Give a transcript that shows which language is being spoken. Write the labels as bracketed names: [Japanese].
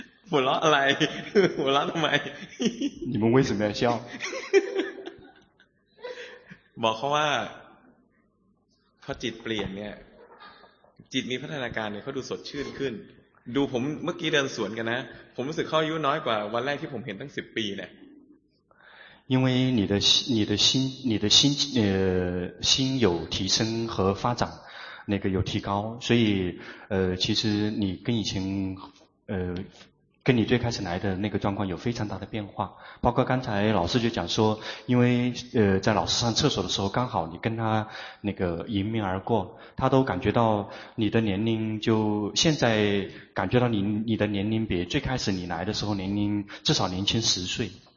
[Chinese] 我拉来，我拉他买。你们为什么要笑？我说他心里变了，心里有发展，他看得更清楚。 [Thai] ดูผมเมื่อกี้เดินสวนกันนะผมรู้สึกเขาอายุน้อยกว่าวันแรกที่ผมเห็นตั้ง10ปีเนี่ย [Chinese] 因为你的心心有提升和发展那个有提高所以其实你跟以前跟你最开始来的那个状况有非常大的变化包括刚才老师就讲说因为在老师上厕所的时候刚好你跟他那个迎面而过他都感觉到你的年龄就现在感觉到你的年龄比最开始你来的时候年龄至少年轻十岁